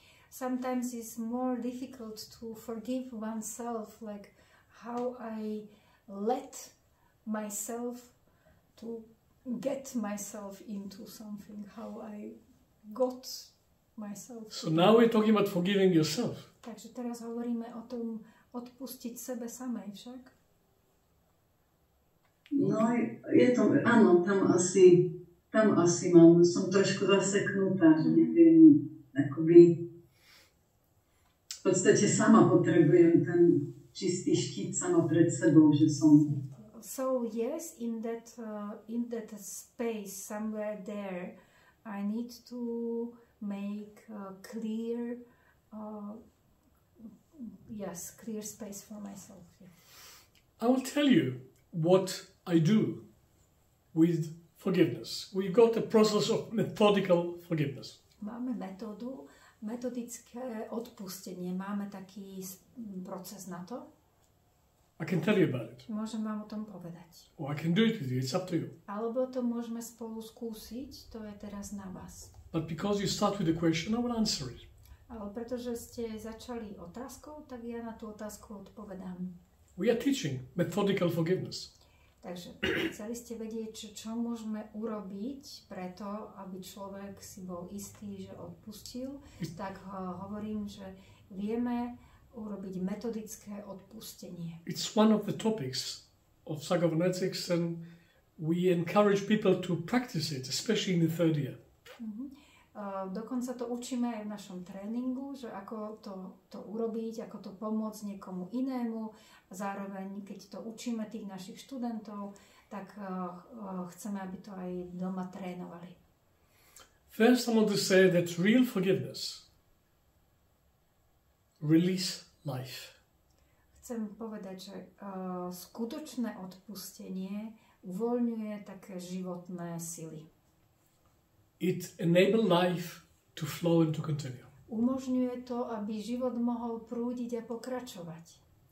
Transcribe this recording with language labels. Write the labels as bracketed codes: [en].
[en] Sometimes it's more difficult to forgive oneself, like how I let myself to get myself into something, how I got myself. So now we're talking about forgiving yourself. [sk] Takže teraz hovoríme o tom odpustiť sebe samej však. No, je to, áno, tam asi mám, som trošku zaseknutá, že neviem, akoby v podstate sama potrebujem ten čistý štít sama pred sebou, že som. [en] So, yes, in that space, somewhere there, I need to make clear Yes, clear space for myself. Yeah. I will tell you what I do with forgiveness. We've got a process of methodical forgiveness. [sk] Máme metódu, metodické odpustenie. Máme taký proces na to. [en] I can tell you about it. [sk] Môžem vám o tom povedať. [en] Or I can do it with you. It's up to you. [sk] Alebo to môžeme spolu skúsiť. To je teraz na vás. [en] But because you start with a question, I will answer it. [sk] Ale pretože ste začali otázkou, tak ja na tú otázku odpovedám. [en] We are teaching methodical forgiveness. [sk] Takže chceli ste vedieť, čo môžeme urobiť preto, aby človek si bol istý, že odpustil, tak hovorím, že vieme urobiť metodické odpustenie. [en] It's one of the topics of psychophonetics and we encourage people to practice it, especially in the third year. [sk] Dokonca to učíme aj v našom tréningu, že ako to urobiť, ako to pomôcť niekomu inému. Zároveň, keď to učíme tých našich študentov, tak chceme, aby to aj doma trénovali. [en] First, I want to say that real forgiveness release life. [sk] Chcem povedať, že skutočné odpustenie uvoľňuje také životné sily. [en] It enable life to flow and to continue. [sk] Umožňuje to, aby život mohol prúdiť a pokračovať.